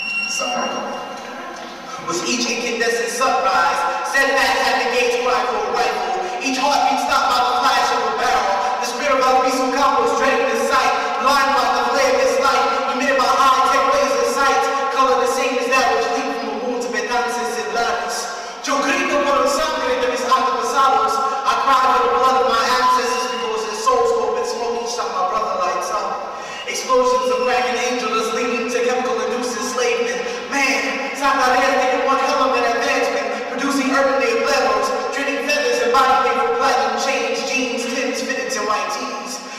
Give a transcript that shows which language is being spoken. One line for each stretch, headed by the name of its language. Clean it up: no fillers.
English: Sorry. With each incandescent sunrise, setbacks at the gates cry for a rifle. Each heartbeat stopped by the flash of a barrel. The spirit of Albizu Campos dreading the sight, blind by the flare of his light, emitted by high-tech laser sights, color the same as that which leaped from the wounds of Betances and Lattes.
Spanish: Yo grito por el sangre de mis antepasados.
English: I cry for the blood of my ancestors because their souls open smoke each time my brother lights up. Explosions of dragon angels leading to chemical-induced enslavement. Man, Santa Maria taking one hell of an advancement, producing urban native levels, trading feathers and body paper from platinum chains, jeans, tins, fitteds, and white tees.